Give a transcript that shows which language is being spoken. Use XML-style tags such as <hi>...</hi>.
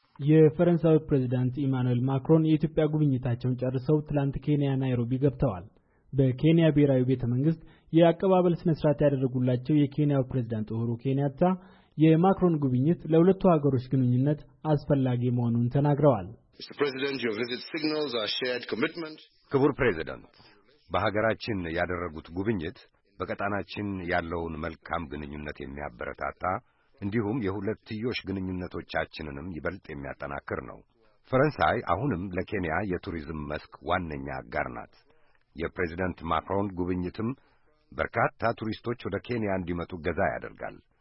<am>የፈረንሳዊ ፕሬዝዳንት ኢማኑኤል ማክሮን የኢትዮጵያ ጉብኝታቸውን ጨርሰው ትላንት ኬንያ ናይሮቢ ገብተዋል። በኬንያ ብሔራዊ ቤተ መንግስት የአቀባበል ስነ ስርዓት ያደረጉላቸው የኬንያው ፕሬዝዳንት ኡሁሩ ኬንያታ የማክሮን ጉብኝት ለሁለቱ ሀገሮች ግንኙነት አስፈላጊ መሆኑን ተናግረዋል።</am> <en>Mr. President, your visit signals our shared commitment.</en> <am>ክቡር ፕሬዝዳንት፣ በሀገራችን ያደረጉት ጉብኝት በቀጣናችን ያለውን መልካም ግንኙነት የሚያበረታታ እንዲሁም የሁለትዮሽ ግንኙነቶቻችንንም ይበልጥ የሚያጠናክር ነው። ፈረንሳይ አሁንም ለኬንያ የቱሪዝም መስክ ዋነኛ አጋር ናት። የፕሬዝዳንት ማክሮን ጉብኝትም በርካታ ቱሪስቶች ወደ ኬንያ እንዲመጡ ገዛ ያደርጋል።</am>